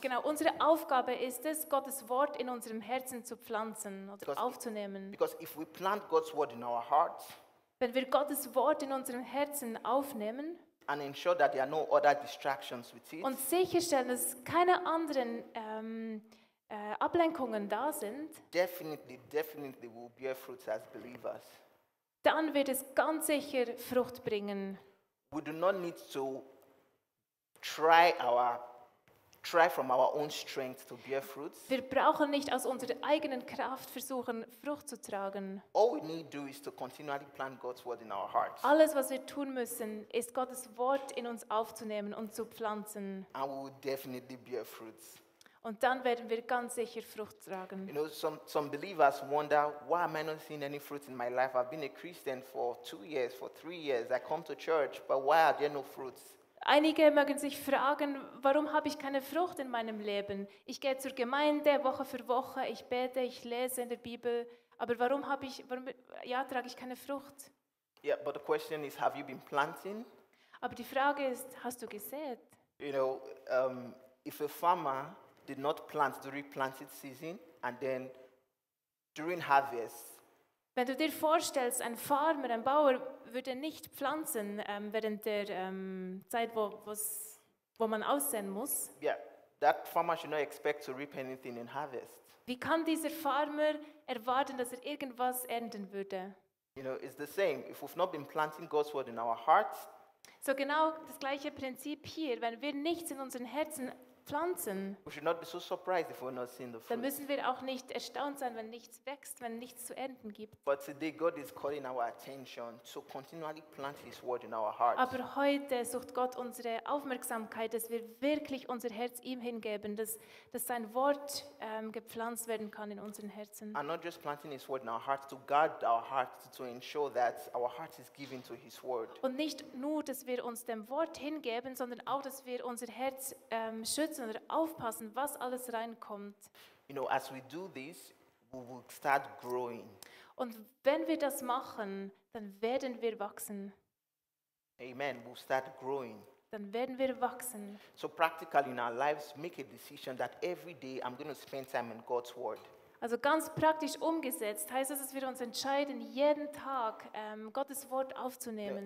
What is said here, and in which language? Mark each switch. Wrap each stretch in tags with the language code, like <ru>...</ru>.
<de>Genau, unsere Aufgabe ist es, Gottes Wort in unserem Herzen zu pflanzen oder</de> <en>because</en> <de>aufzunehmen.</de> <en>Because if we plant God's Word in our hearts,</en> <de>wenn wir Gottes Wort in unserem Herzen aufnehmen,</de> <en>and ensure that there are no other distractions with it.</en> <de>Und sicherstellen, dass keine anderen Ablenkungen da sind.</de> <en>Definitely will bear fruits as believers.</en> <de>Dann wird es ganz sicher Frucht bringen.</de> <en>We do not need to try from our own strength to bear fruits.</en> <de>Wir brauchen nicht aus unserer eigenen Kraft versuchen, Frucht zu tragen.</de> <en>All we need to do is to continually plant God's word in our hearts.</en> <de>Alles, was wir tun müssen, ist Gottes Wort in uns aufzunehmen und zu pflanzen.</de> <en>And we will definitely bear fruits.</en> <de>Und dann werden wir ganz sicher Frucht tragen.</de> <en>You know, some believers wonder, why am I not seeing any fruits in my life? I've been a Christian for 2 years, for 3 years. I come to church, but why are there no fruits?</en> <de>Einige mögen sich fragen, warum habe ich keine Frucht in meinem Leben? Ich gehe zur Gemeinde Woche für Woche, ich bete, ich lese in der Bibel, aber trage ich keine Frucht?</de> <en>Yeah, but the question is, have you been planting?</en> <de>Aber die Frage ist, hast du gesät?</de> <en>You know, if a farmer did not plant during planted season and then during harvest.</en> <de>Wenn du dir vorstellst, ein Farmer, ein Bauer würde nicht pflanzen während der Zeit, wo man aussehen muss.</de> <en>Yeah, that farmer should not expect to reap anything in harvest.</en> <de>Wie kann dieser Farmer erwarten, dass er irgendwas ernten würde?</de> <en>You know, it's the same. If we've not been planting God's word in our hearts.</en> <de>So genau das gleiche Prinzip hier. Wenn wir nichts in unseren Herzen pflanzen,</de> <en>we should not be so surprised if we're not seeing the fruit.</en> <de>Dann müssen wir auch nicht erstaunt sein, wenn nichts wächst, wenn nichts zu ernten gibt.</de> <en>But today God is calling our attention to continually plant His word in our hearts.</en> <de>Aber heute sucht Gott unsere Aufmerksamkeit, dass wir wirklich unser Herz ihm hingeben, dass sein Wort gepflanzt werden kann in unseren Herzen.</de> <en>And not just planting His word in our hearts, to guard our hearts, to ensure that our heart is given to His word.</en> <de>Und nicht nur, dass wir uns dem Wort hingeben, sondern auch, dass wir unser Herz schützen oder aufpassen, was alles reinkommt.</de> <en>You know, as we do this, we will start growing.</en> <de>Und wenn wir das machen, dann werden wir wachsen.</de> <en>Amen. We'll start growing.</en> <de>Dann werden wir wachsen.</de> <en>So practically in our lives, make a decision that every day I'm going to spend time in God's word.</en> <de>Also ganz praktisch umgesetzt, heißt es, dass wir uns entscheiden, jeden Tag Gottes Wort aufzunehmen.</de>